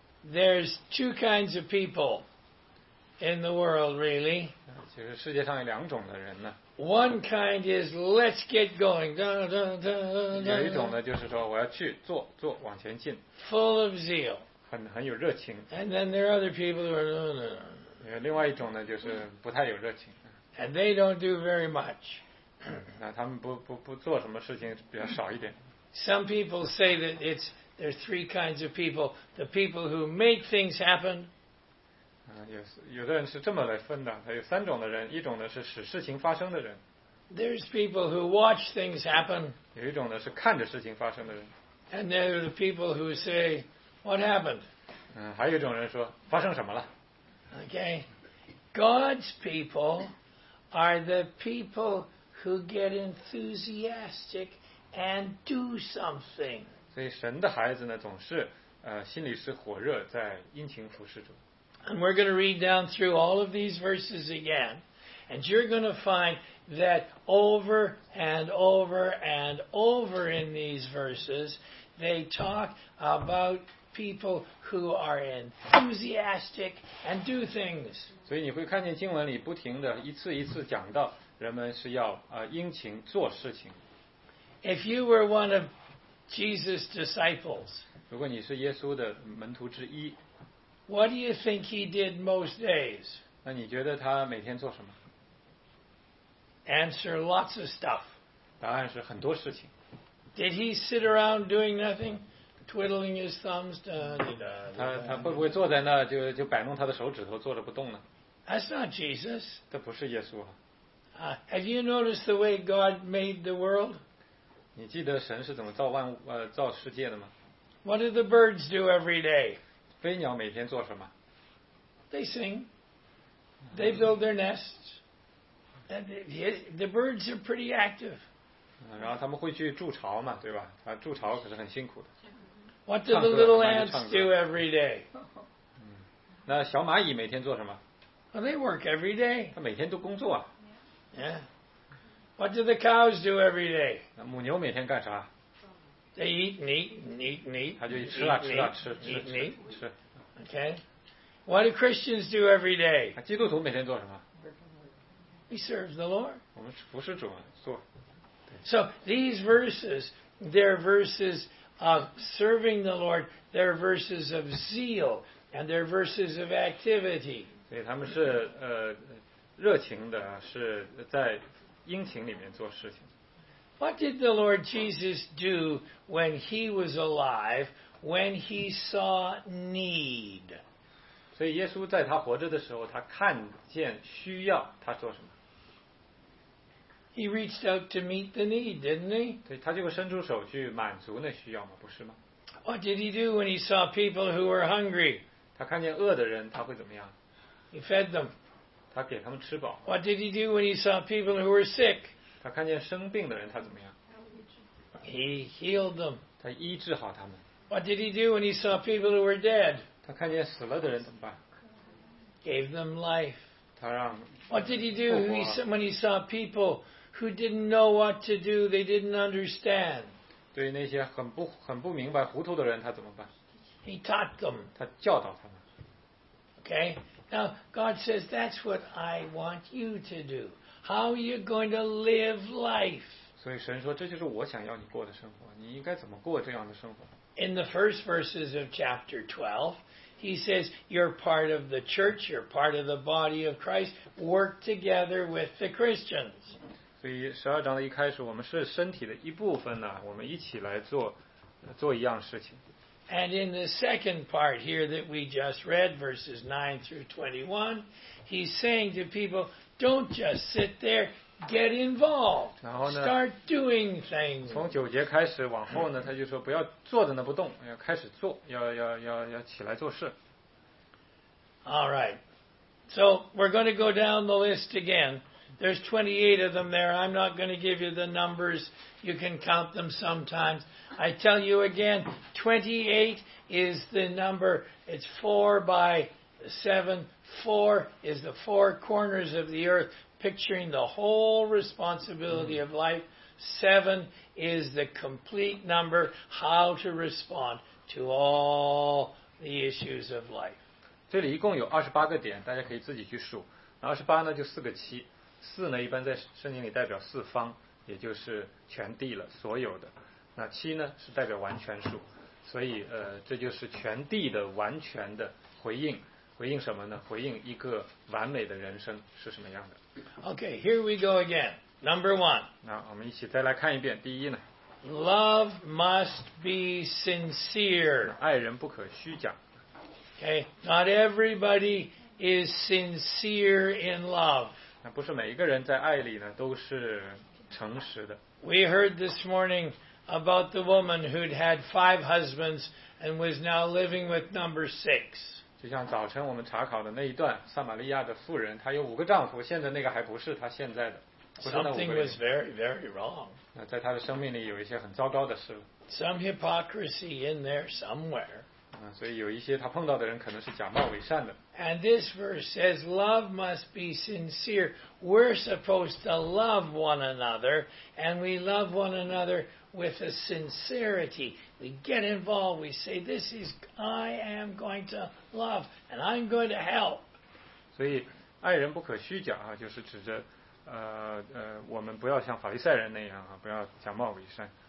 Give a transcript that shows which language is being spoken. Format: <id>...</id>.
<en>There's two kinds of people in the world, really.</en> <zh>其实世界上有两种的人呢。</zh> <en>One kind is let's get going.</en> <zh>有一种呢，就是说我要去做，往前进。</zh> <en>Full of zeal.</en> <zh>很有热情。</zh> <en>And then there are other people who are.</en> <zh>另外一种呢，就是不太有热情。</zh> <en>And they don't do very much.</en> <zh>那他们不做什么事情比较少一点。</zh> <en>Some people say that it's there are three kinds of people. The people who make things happen.</en> <zh>有的人是这么来分的。他有三种的人，一种呢是使事情发生的人。</zh> <en>There's people who watch things happen.</en> <zh>有一种呢是看着事情发生的人。</zh> <en>And there are the people who say, "What happened?"</en> <zh>还有一种人说发生什么了。</zh> <en>Okay, God's people are the people who get enthusiastic and do something.</en> <zh>所以神的孩子呢，总是心里是火热，在殷勤服侍主。</zh> <en>And we're going to read down through all of these verses again, and you're going to find that over and over and over in these verses, they talk about people who are enthusiastic and do things.</en> <zh>所以你会看见经文里不停的一次一次讲到人们是要殷勤做事情。</zh> <en>If you were one of Jesus' disciples,</en> <zh>如果你是耶稣的门徒之一，</zh> <en>what do you think he did most days?</en> <zh>那你觉得他每天做什么？</zh> <en>Answer lots of stuff.</en> <zh>答案是很多事情。</zh> <en>Did he sit around doing nothing, twiddling his thumbs?</en> <zh>他会不会坐在那就摆弄他的手指头坐着不动呢？</zh> <en>That's not Jesus.</en> <zh>这不是耶稣啊。</zh> <en>Have you noticed the way God made the world?</en> <zh>你记得神是怎么造万物造世界的吗？</zh> <en>What do the birds do every day?</en> <zh>飞鸟每天做什么？</zh> <en>They sing. They build their nests. And the birds are pretty active.</en> <zh>然后他们会去筑巢嘛，对吧？啊，筑巢可是很辛苦的。</zh> <en>What do the little ants do every day?</en> <zh>那小蚂蚁每天做什么？</zh> <en>Well, they work every day.</en> <zh>他每天都工作啊。</zh> <en>Yeah. What do the cows do every day?</en> <zh>母牛每天干啥？</zh> <en>They eat and eat and eat and eat.</en> <zh>他就吃了吃了吃吃吃吃。</zh> <en>Okay. What do Christians do every day?</en> <zh>基督徒每天做什么？</zh> <en>We serve the Lord.</en> <zh>我们服侍主啊，做。</zh> <en>So these verses, they're verses of serving the Lord. They're verses of zeal, and they're verses of activity.</en> <zh>所以他们是热情的，是在殷勤里面做事情。</zh> <en>What did the Lord Jesus do when he was alive, when he saw need?</en> <zh>所以耶稣在他活着的时候，他看见需要，他做什么？</zh> <en>He reached out to meet the need, didn't he?</en> <zh>对，他就伸出手去满足那需要嘛，不是吗？</zh> <en>What did he do when he saw people who were hungry?</en> <zh>他看见饿的人，他会怎么样？</zh> <en>He fed them.</en> <zh>他给他们吃饱。</zh> <en>What did he do when he saw people who were sick?</en> <zh>他看见生病的人，他怎么样？</zh> <en>He healed them.</en> <zh>他医治好他们。</zh> <en>What did he do when he saw people who were dead?</en> <zh>他看见死了的人怎么办？</zh> <en>Gave them life.</en> <zh>他让。</zh> <en>What did he do when he saw people who didn't know what to do, they didn't understand?</en> <zh>对那些很不明白糊涂的人，他怎么办？</zh> <en>He taught them.</en> <zh>他教导他们。</zh> <en>Okay, now God says, that's what I want you to do. How are you going to live life?</en> <zh>所以神说，这就是我想要你过的生活，你应该怎么过这样的生活？</zh> <en>In the first verses of chapter 12, he says, you're part of the church, you're part of the body of Christ, work together with the Christians.</en> <zh>所以十二章的一开始，我们是身体的一部分呢，我们一起来做一样事情。</zh> <en>And in the second part here that we just read, verses 9 through 21, he's saying to people, don't just sit there, get involved, start doing things.</en> <zh>从九节开始往后呢，他就说不要坐在那不动，要开始做，要起来做事。</zh> <en>All right, so we're going to go down the list again. There's 28 of them there. I'm not going to give you the numbers. You can count them sometimes. I tell you again, 28 is the number. It's 4 by 7. 4 is the four corners of the earth, picturing the whole responsibility of life. 7 is the complete number, how to respond to all the issues of life.</en> <zh>这里一共有28个点，大家可以自己去数。28呢，就4个7。四呢，一般在圣经里代表四方，也就是全地了，所有的。那七呢，是代表完全数，所以这就是全地的完全的回应。回应什么呢？回应一个完美的人生是什么样的。</zh> <en>Okay, here we go again. Number one.</en> <zh>那我们一起再来看一遍。第一呢</zh> <en>，Love must be sincere.</en> <zh>爱人不可虚假。</zh> <en>Okay, not everybody is sincere in love.</en> <zh>不是每一个人在爱里呢都是诚实的。</zh> <en>We heard this morning about the woman who'd had 5 husbands and was now living with number 6.</en> <zh>就像早晨我们查考的那一段，撒玛利亚的妇人，她有5个丈夫，现在那个还不是她现在的。</zh> <en>Something was very, very wrong.</en> <zh>那在她的生命里有一些很糟糕的事。</zh> <en>Some hypocrisy in there somewhere.</en> <zh>所以有一些他碰到的人可能是假冒伪善的。</zh> <en>And this verse says, love must be sincere. We're supposed to love one another, and we love one another with a sincerity. We get involved. We say, this is, I am going to love, and I'm going to help.</en> <zh>所以爱人不可虚假啊，就是指着我们不要像法利赛人那样啊，不要假冒伪善。</zh>